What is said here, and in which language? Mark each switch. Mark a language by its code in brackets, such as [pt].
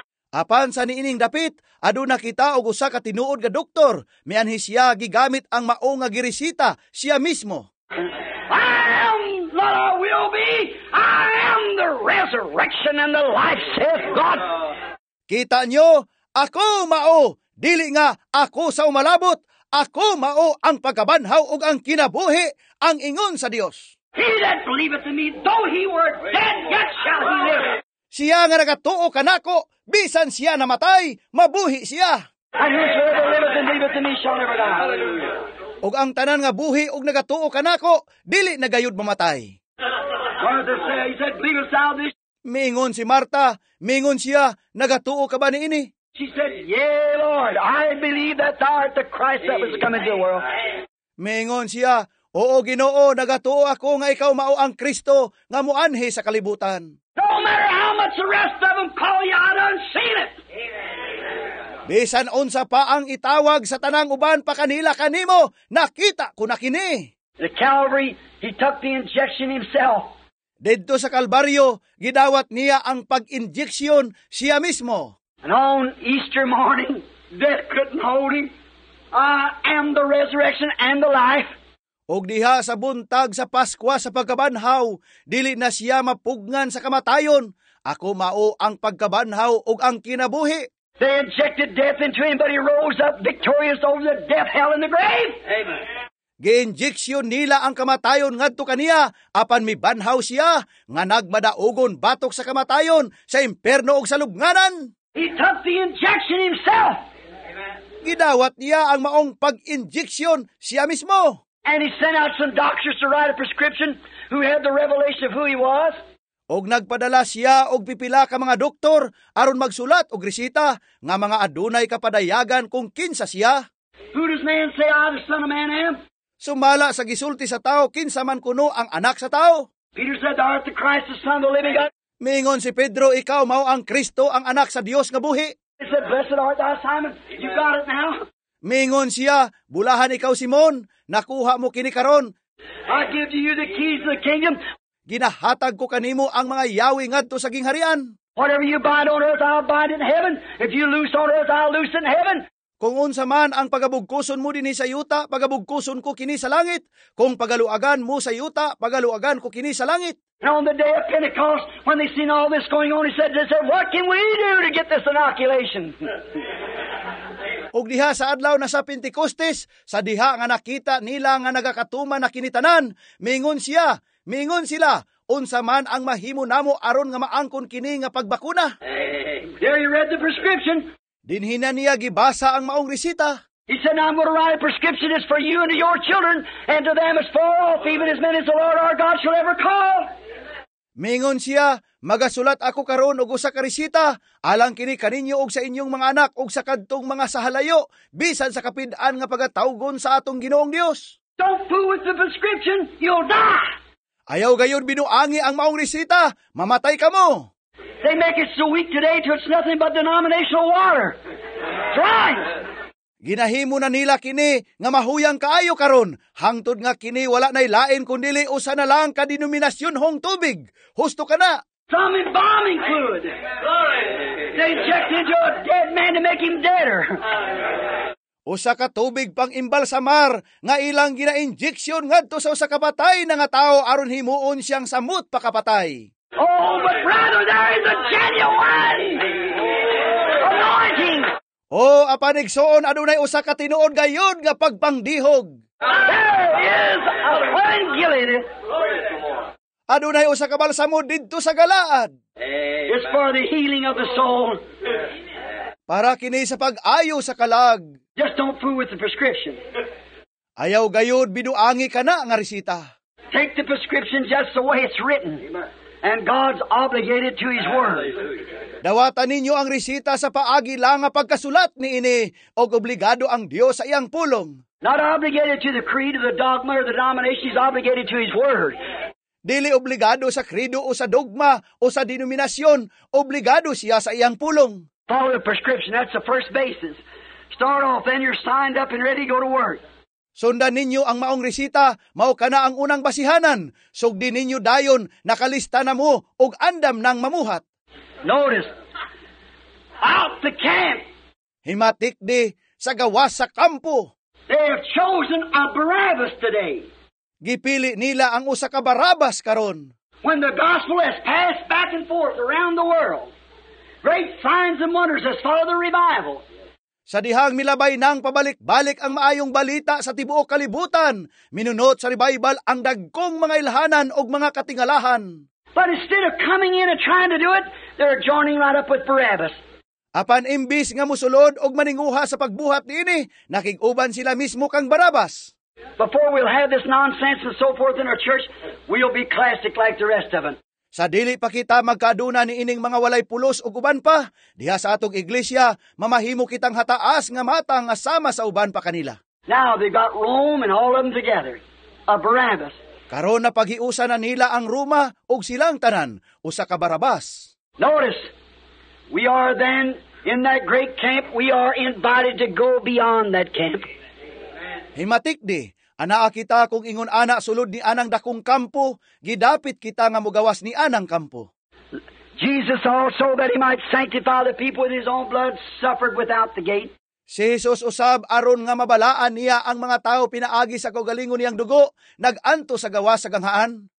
[ceb] Apan sa niining dapit, aduna kita og usa ka tinuod nga doktor. Mianhi siya gigamit ang maong nga giresita siya mismo. [en] I am not a will be. I am the resurrection and the life, saith God. [ceb] Kita nyo, ako mao. Dili nga ako sa umalabot. Ako mao ang pagkabanhaw ug ang kinabuhi, ang ingon sa Dios. [en] He that believeth in me, though he were dead, yet shall he live. [ceb] Siya nga nagatuo kanako, bisan siya namatay, mabuhi siya. [en] And whosoever liveth and believeth in me shall never die. [ceb] Ug ang tanan nga buhi ug nagatuo kanako, dili nagayud mamatay. [en] Martha said, he said, believest thou this? [ceb] Mingon si Martha, mingon siya, nagatuo ka ba niini? [en] She said, yea, Lord, I believe that thou art the Christ that was to come into the world. [ceb] Mingon siya, oo, Ginoo, nagatuo ako nga ikaw mao ang Kristo nga muanhi sa kalibutan. [en] No matter how much the rest of them call you, I done seen it. [ceb] Bisan unsa pa ang itawag sa tanang uban pa kanila kanimo, nakita ko na kini. [en] The Calvary, he took the injection himself. [ceb] Dito sa Kalbaryo, gidawat niya ang pag-injection siya mismo. [en] And on Easter morning, death couldn't hold him. I am the resurrection and the life. [ceb] Og diha sa buntag sa Paskwa sa pagkabanhaw, dili na siya mapugngan sa kamatayon. Ako mao ang pagkabanhaw og ang kinabuhi. [en] They injected death into him, but he rose up victorious over the death, hell, and the grave. Amen. [ceb] Giinjeksyon nila ang kamatayon ngadto kaniya, apan mibanhaw siya, nga nagmadaugon batok sa kamatayon, sa imperno og sa lubnganan. [en] He took the injection himself. [ceb] Amen. Gidawat niya ang maong pag-injeksyon siya mismo. [en] And he sent out some doctors to write a prescription who had the revelation of who he was. [ceb] Og nagpadala siya og pipila ka mga doktor aron magsulat og resita nga mga adunay kapadayagan kung kinsa siya. [en] Who does man say I the son of man am? [ceb] Sumala sa gisulti sa tao kinsa man kuno ang anak sa tao. [en] Peter said thou art the Christ the son of the living God. [ceb] Mingon si Pedro ikaw mao ang Kristo ang anak sa Dios nga buhi. [en] He said blessed art thou Simon. You got it now. [ceb] Mingon siya bulahan ikaw Simon. Nakuha mo kini karon. [en] I give you the keys to the kingdom. [ceb] Ginahatag ko kanimo ang mga yawi ngadto sa gingharian. [en] Whatever you bind on earth, I'll bind in heaven. If you loose on earth, I'll loose in heaven. [ceb] Kung unsa man ang pagabugkuson mo dinhi sa yuta, pagabugkuson ko kini sa langit. Kung pagaluagan mo sa yuta, pagaluagan ko kini sa langit. [en] And on the day of Pentecost, when they seen all this going on, they said, what can we do to get this inoculation? [ceb] Og diha sa adlaw na sa Pentecostes, sa diha nga nakita nila nga nagakatuma na kinitanan, mingon sila, unsa man ang mahimo namo aron nga maangkon kini nga pagbakuna. [en] There he read the prescription. [ceb] Dinhi na niya gibasa ang maong resita. [en] He said, I'm going to write a prescription, it's for you and your children, and to them as far off, even as many as the Lord our God shall ever call. [ceb] Mingon siya, magasulat ako karon og usa ka resita, alang kini kaninyo og sa inyong mga anak og sa kadtong mga sahalayo, bisan sa kapid-an nga pagatawgon sa atong Ginoong Dios. [en] Don't fool with the prescription, you'll die. [ceb] Ayaw gayon binuangi ang maong resita, mamatay ka mo. [en] They make it so weak today to it's nothing but denominational water. Dry. [ceb] Ginahimo na nila kini nga mahuyang kaayo karon, hangtod nga kini wala nay lain kundi usa na lang ka denominasyon hong tubig. Husto ka na. [en] Some embalming fluid. They injected into a dead man to make him deader. [ceb] Usa ka tubig pang imbalsamar nga ilang gina-injection ngadto sa usa ka patay na nga tao aron himuon siyang samut pakapatay. [en] Oh, but brother, there is a genuine anointing. [ceb] Oh, apanigsoon, adunay usa ka tinuod gayon nga pagpangdihog. [en] There is a angelin. [ceb] Adunay usa ka balsamo dito sa Galaad. [en] Amen. It's for the healing of the soul. Amen. [ceb] Para kini sa pag-ayo sa kalag. [en] Just don't fool with the prescription. [ceb] Ayaw gayon, binuangi ka na nga resita. [en] Take the prescription just the way it's written. And God's obligated to His word. [ceb] Dawatan ninyo ang resita sa paagi lang nga pagkasulat ni ini, o obligado ang Dios sa iyang pulong. [en] Not obligated to the creed or the dogma or the denomination, He's obligated to His word. [ceb] Dili obligado sa kredo o sa dogma o sa denominasyon, obligado siya sa iyang pulong. [en] Follow the prescription, that's the first basis. Start off, then you're signed up and ready to go to work. [ceb] Sundan ninyo ang maong resita, mao kana ang unang basihanan. Sugdi ninyo dayon, nakalista na mo og andam ng mamuhat. [en] Notice, out the camp. [ceb] Himatik di sa gawas sa kampo. [en] They have chosen a Barabbas today. [ceb] Gipili nila ang usa ka Barabbas karon. [en] When the gospel has passed back and forth around the world, great signs and wonders has followed the revival. [ceb] Sa dihang milabay nang pabalik-balik ang maayong balita sa tibuok kalibutan, minunot sa revival ang dagkong mga ilhanan o mga katingalahan. [en] But instead of coming in and trying to do it, they're joining right up with Barabbas. [ceb] Apan imbis nga musulod og maninguha sa pagbuhat niini, nakig-uban sila mismo kang Barabbas. [en] Before we'll have this nonsense and so forth in our church, we'll be classic like the rest of them. [ceb] Sa dili pa kita magkaduna ni ining mga walay pulos ug uban pa, diha sa atong iglesia, mamahimo kitang hataas nga matang asama sa uban pa kanila. [en] Now they got Rome and all of them together, a Barabbas. [ceb] Karon na pag-iusa na nila ang Roma ug silang tanan, usa ka Barabbas. [en] Notice, we are then in that great camp, we are invited to go beyond that camp. [ceb] Himatik di, anaa kita kung ingon ana sulod ni anang dakong kampo, gidapit kita nga mugawas ni anang kampo. [en] Jesus also, that he might sanctify the people with his own blood, suffered without the gate. [ceb] Si Jesus usab aron nga mabalaan niya ang mga tao pinaagi sa kaugalingon niyang dugo, nag-anto sa gawas sa ganghaan.